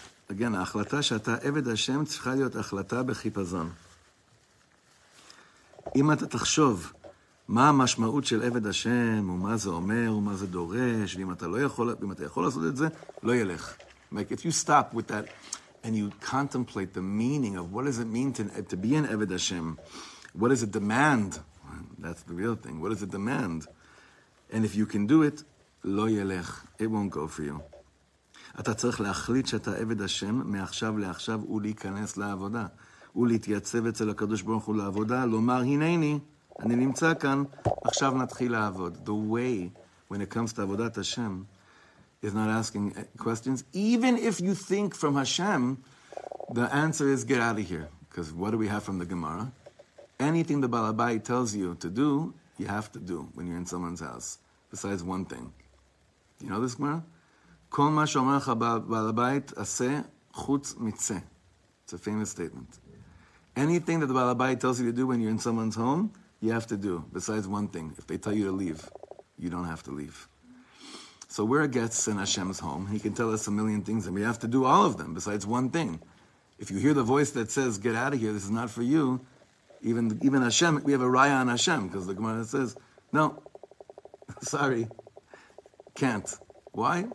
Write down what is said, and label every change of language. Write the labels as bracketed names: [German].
[Hebrew] Again, ההחלטה שאתה עבד השם צריכה להיות החלטה בחיפזון. אם אתה תחשוב מה המשמעות של עבד השם, ומה זה אומר, ומה זה דורש, ואם אתה לא יכול, ואם אתה יכול לעשות את זה, לא ילך. [English] Like, if you stop with that, and you contemplate the meaning of what does it mean to be an Eved Hashem, what does it demand? That's the real thing. What does it demand? And if you can do it, [Hebrew] lo yelech, [English] it won't go for you. [Hebrew] אתה צריך להחליט שאתה עבד השם מעכשיו לעכשיו ולהיכנס לעבודה, ולהתייצב אצל הקדוש ברוך הוא לעבודה, לומר, הנני, אני נמצא כאן, עכשיו נתחיל לעבוד. [English] The way, when it comes to עבודת השם, is not asking questions. Even if you think from Hashem, the answer is get out of here. Because what do we have from the Gemara? Anything the Baal HaBayit tells you to do, you have to do when you're in someone's house. Besides one thing. You know this Gemara? [Hebrew] כל מה שאומר לך בעל הבית, עשה חוץ מצא. [English] It's a famous statement. Anything that the Baal HaBayit tells you to do when you're in someone's home, you have to do. Besides one thing. If they tell you to leave, you don't have to leave. So we're a guest in Hashem's home. He can tell us a million things, and we have to do all of them, besides one thing. If you hear the voice that says, get out of here, this is not for you, even Hashem, we have a raya on Hashem, because the Gemara says, no, sorry, can't. Why?